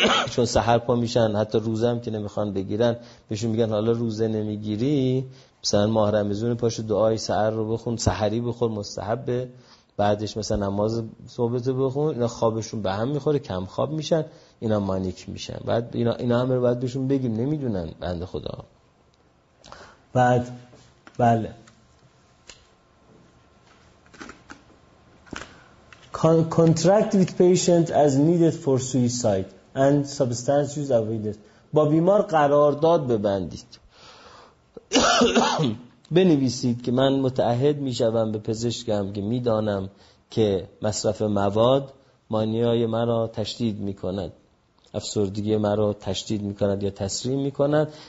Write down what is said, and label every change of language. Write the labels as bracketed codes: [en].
[fa] چون سحر پا میشن، حتی روزه هم که نمیخوان بگیرن بهشون میگن حالا روزه نمیگیری مثلا محرم زونا پاشو دعای سحر رو بخون، سحری بخور مستحبه، بعدش مثلا نماز صبحته بخون، اینا خوابشون به هم میخوره، کم خواب میشن، اینا مانیک میشن. بعد اینا همه رو بعد بهشون بگیم، نمیدونن بنده خدا. بعد بله [en] contract with patient as needed for suicide and substance use avoided. [fa] با بیمار قرارداد ببندید. بنویسید که من متعهد میشوم به پزشکم که میدانم که مصرف مواد مانیای مرا تشدید میکند، افسردگی مرا تشدید میکند یا تسریع میکند.